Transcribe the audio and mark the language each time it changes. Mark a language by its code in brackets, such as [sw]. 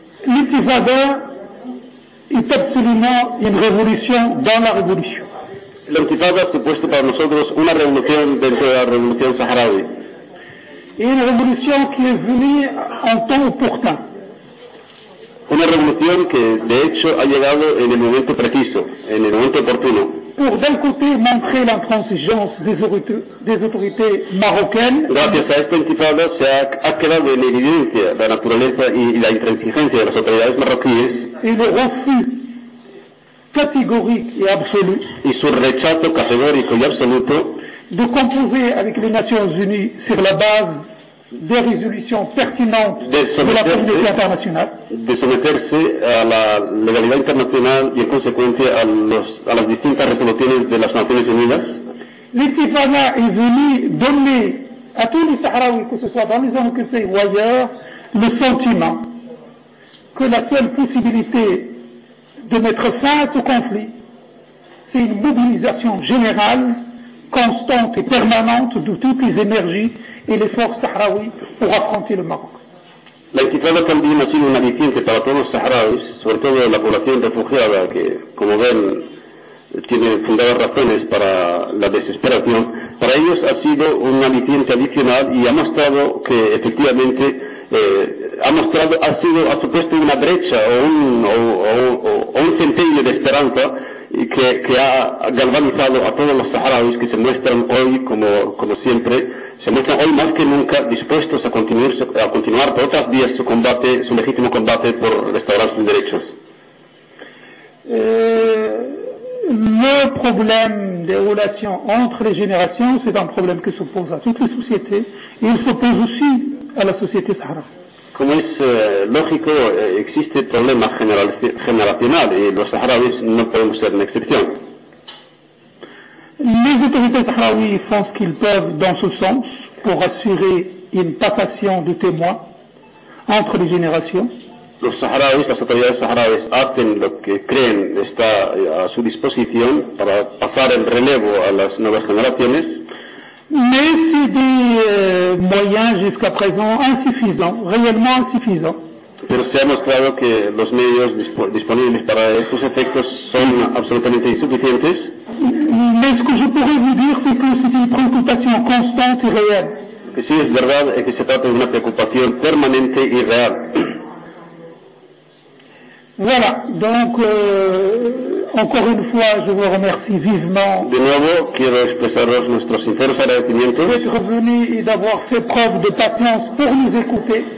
[fr] Est absolument une révolution dans la révolution. [es] L'intifada supuesto para nosotros una revolución dentro de la revolución saharaui. [fr] Et une révolution qui est venue en temps opportun. [es] Una revolución que de hecho ha llegado en el momento preciso, en el momento oportuno. [fr] Pour d'un côté montrer l'intransigeance des autorités marocaines. [es] Gracias a esta intifada se ha quedado en evidencia la naturaleza y la intransigencia de las autoridades marroquíes. [fr] Et le refus catégorique et absolu. [es] Y su rechazo categórico y absoluto. [fr] De composer avec les Nations Unies sur la base des résolutions pertinentes de la communauté internationale. [es] De someterse a la legalidad internacional y en consecuencia a las distintas resoluciones de las Naciones Unidas. [fr] L'intifada est venue donner à tous les Sahraouis, que ce soit dans les zones occupées ou ailleurs, le sentiment que la seule possibilité de mettre fin à ce conflit, c'est une mobilisation générale, constante et permanente de toutes les énergies et les forces sahraouis pour affronter le Maroc. [es] La intifada también ha sido un aliciente para todos los saharauis, sobre todo la población refugiada, que como ven tiene fundadas razones para la desesperación. Para ellos ha sido un aliciente adicional y ha mostrado que efectivamente ha supuesto una brecha o un centenio de esperanza que ha galvanizado a todos los saharauis que se muestran hoy, como siempre, se muestran hoy más que nunca dispuestos a continuar por otras vías su combate, su legítimo combate por restaurar sus derechos. [fr] Le problème des relations entre les générations, c'est un problème que se pose à toutes les sociétés, et il se pose aussi à la société saharaui. [es] Como es lógico, existe problema generacional y los saharauis no podemos ser una excepción. [fr] Les autorités saharauis font ce qu'ils peuvent dans ce sens pour assurer une passation de témoins entre les générations. [es] Los saharauis, las autoridades saharauis, hacen lo que creen está a su disposición para pasar el relevo a las nuevas generaciones. [fr] Mais c'est des moyens jusqu'à présent insuffisants, réellement insuffisants. [es] Pero se ha mostrado que los medios disponibles para estos efectos son absolutamente insuficientes. [fr] Mais ce que je pourrais vous dire, c'est que c'est une préoccupation constante et réelle. [es] Lo que sí es verdad es que se trata de una preocupación permanente y real. [fr] Voilà, donc Encore une fois, je vous remercie vivement. [es] De nuevo, quiero expresaros nuestro sincero agradecimiento. [fr] D'être venu et d'avoir fait preuve de patience pour nous écouter.